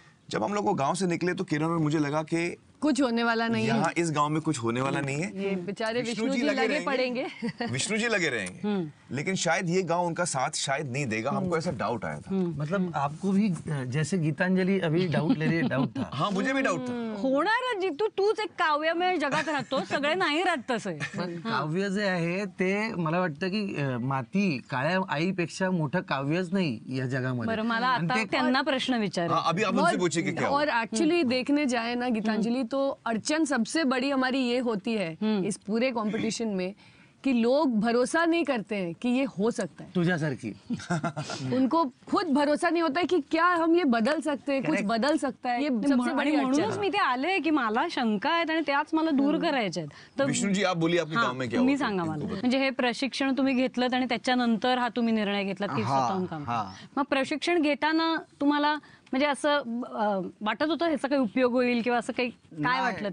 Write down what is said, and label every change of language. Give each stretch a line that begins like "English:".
Hindi: जब हम लोग वो गांव से निकले तो किरण और मुझे लगा कि कुछ होने वाला नहीं, यहाँ इस गांव में कुछ होने वाला नहीं है. ये बेचारे विष्णु जी लगे पड़ेंगे, विष्णु जी लगे रहेंगे लेकिन शायद ये गांव उनका साथ शायद नहीं देगा. हमको ऐसा डाउट आया था. मतलब आपको भी जैसे गीतांजलि अभी डाउट ले रही है, डाउट था. हाँ मुझे भी डाउट था.
Marathi: होणार जितू, तूच एक काव्य में जगात राहतो, सगळे नाही राहत तसे. काव्य जे आहे ते मला वाटतं की माती काळ्या आईपेक्षा मोठं काव्यच नाही या जगामध्ये. मला आता त्यांना प्रश्न विचार.
Hindi: ऍक्च्युली देखने जाए ना गीतांजलि, तो अड़चन सबसे बड़ी हमारी ये होती है इस पूरे कॉम्पिटिशन में कि लोग भरोसा नहीं करते हैं कि ये हो सकता है.
Marathi: तुझा सर की
Hindi: उनको खुद भरोसा नहीं होता है कि क्या हम ये बदल सकते हैं, कुछ बदल सकता है. ये सबसे बड़ी
Marathi: म्हणूनच मी इथे आले की मला शंका आहेत आणि त्याच मला दूर करायचे आहेत. तुम्ही सांगा मला, म्हणजे हे प्रशिक्षण तुम्ही घेतलं आणि त्याच्यानंतर हा तुम्ही निर्णय घेतला की स्वतःहून काम. मग प्रशिक्षण घेताना तुम्हाला म्हणजे असं वाटत होतं ह्याचा काही उपयोग होईल किंवा असं काही काय वाटलं?